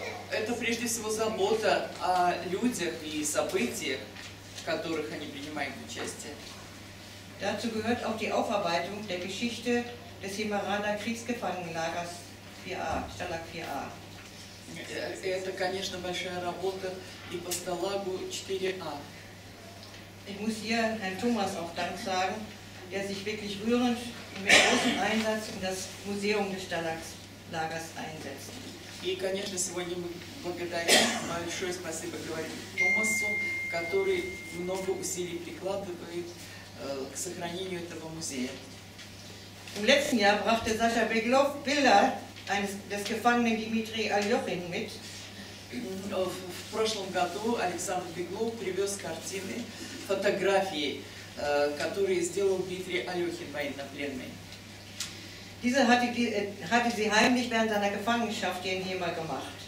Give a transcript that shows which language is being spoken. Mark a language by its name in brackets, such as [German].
[Russian] Это прежде всего забота о людях и событиях, в которых они принимают участие. [German] Dazu gehört auch die Aufarbeitung der Geschichte des Himmerana Kriegsgefangenenlagers 4A, Stalag 4A. [Russian] Это, конечно, большая работа и по Сталагу 4A. [German] Ich muss hier Herrn Thomas auch Dank sagen, der sich wirklich rührend und mit großem Einsatz in das Museum des Stalags-Lagers einsetzt. [Russian] И, конечно, сегодня мы благодарим, большое спасибо говорим Томасу, который много усилий прикладывает к сохранению этого музея. [German] Im letzten Jahr brachte Sascha Beglow Bilder des gefangenen Dmitri Aljochin mit. [Russian] В прошлом году Александр Беглов привез картины, фотографии, которые сделал Дмитрий Алёхин, военнопленный. [German] Diese hatte sie heimlich während seiner Gefangenschaft hier in Hemer gemacht.